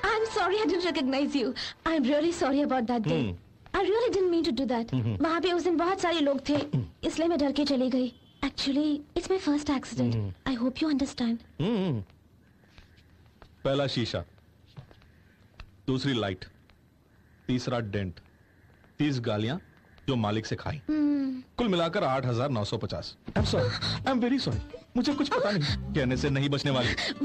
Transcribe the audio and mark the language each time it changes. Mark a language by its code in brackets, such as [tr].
[en] I'm sorry, I didn't recognize you. I'm really sorry about that day. I really didn't mean to do that. [hi] वहाँ पे उस दिन बहुत सारे लोग थे, इसलिए मैं डर के चली गई। [en] Actually, it's my first accident. I hope you understand. [hi] पहला शीशा, दूसरी लाइट, तीसरा डेंट, 30 गालियां जो मालिक से खाई, कुल मिलाकर 8,950। [en] I'm sorry, I'm very sorry. [hi] मुझे कुछ पता नहीं, कहने से नहीं बचने वाली।